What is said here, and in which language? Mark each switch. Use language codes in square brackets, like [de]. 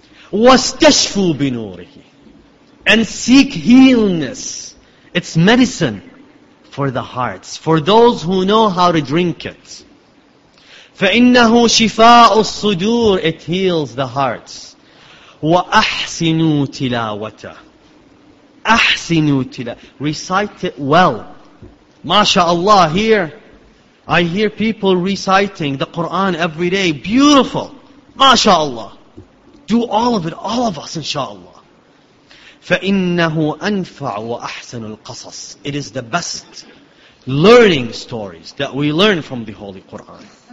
[ar] وَاسْتَشْفُوا بِنُورِهِ, [en] and seek healness. It's medicine for the hearts, for those who know how to drink it. [ar] فَإِنَّهُ شِفَاءُ الصُّدُورِ, [en] it heals the hearts. [ar] وَأَحْسِنُوا تِلَاوَتَهُ, أَحْسِنُوا تِلَاوَتَهُ, [en] recite it well. MashaAllah, here I hear people reciting the Qur'an every day. Beautiful. MashaAllah. Do all of it, all of us, inshaAllah. [ar] فَإِنَّهُ أَنْفَعُ وَأَحْسَنُ الْقَصَصِ, [en] it is the best learning stories that we learn from the Holy Qur'an.